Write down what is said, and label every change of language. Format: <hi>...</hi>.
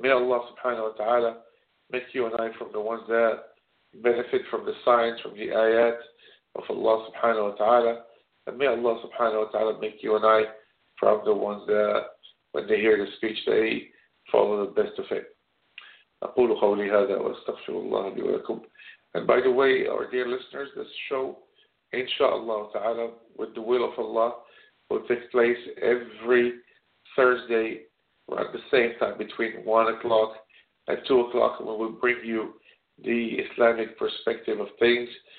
<en>May Allah subhanahu wa ta'ala make you and I from the ones that benefit from the signs, from the ayat of Allah subhanahu wa ta'ala. And may Allah subhanahu wa ta'ala make you and I from the ones that, when they hear the speech, they follow the best of it.</en> <ar>أقول قولي هذا وأستغفر الله لي ولكم.</ar> <en>And by the way, our dear listeners, this show, inshallah ta'ala, with the will of Allah, will take place every Thursday at the same time, between 1 o'clock and 2 o'clock, and we will bring you the Islamic perspective of things.</en>